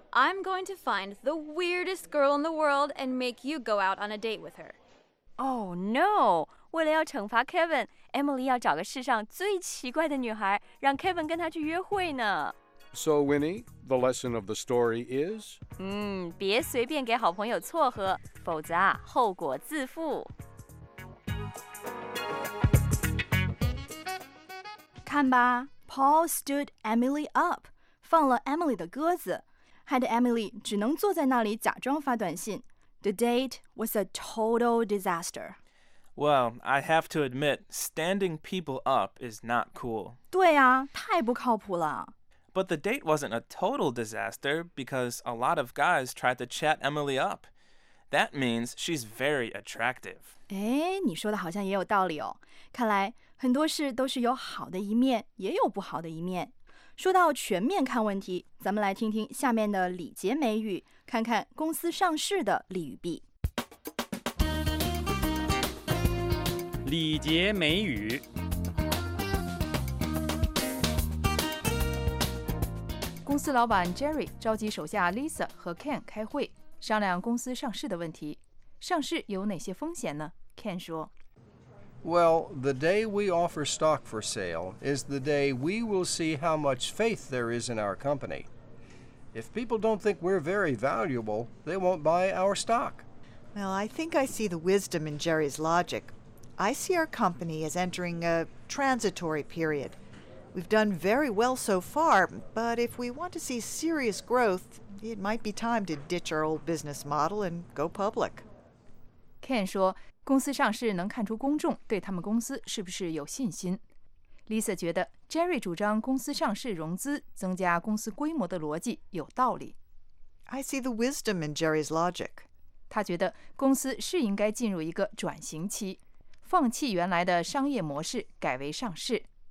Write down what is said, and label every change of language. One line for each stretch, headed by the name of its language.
English: I'm going to find the weirdest girl in the world and make you go out on a date with her. Oh, no.
Chinese: 为了要惩罚 Kevin, Emily 要找个世上最奇怪的女孩让 Kevin 跟她去约会呢。
English: So, Winnie, the lesson of the story is?
Chinese: 别随便给好朋友撮合,否则啊,后果自负。看吧 ,
English: Paul stood Emily up,
Chinese: 放了 Emily 的鸽子，害得 Emily 只能坐在那里假装发短信。
English: The date was a total disaster. Well, I have to admit, standing people up is not cool.
Chinese: 对啊，太不靠谱了。
English: But the date wasn't a total disaster because a lot of guys tried to chat Emily up. That means she's very attractive.
Chinese: 哎，你说的好像也有道理哦。看来很多事都是有好的一面，也有不好的一面。说到全面看问题，咱们来听听下面的礼节美语，看看公司上市的利与弊。礼节美语。公司老板 Jerry 召集手下 Lisa 和 Ken 开会，商量公司上市的问题。上市有哪些风险呢？Ken 说。
English: Well, the day we offer stock for sale is the day we will see how much faith there is in our company. If people don't think we're very valuable, they won't buy our stock. Well, I think I see the wisdom in Jerry's logic. I see our company as entering a transitory period. We've done very well so far, but if we want to see serious growth, it might be time to ditch our old business model and go public.
Chinese: Ken 说公司上市能看出公众对他们公司是不是有信心。 Lisa 觉得 Jerry 主张公司上市融资增加公司规模的逻辑有道理。
English: I see the wisdom in Jerry's logic.
Chinese: 他觉得公司是应该进入一个转型期，放弃原来的商业模式，改为上市。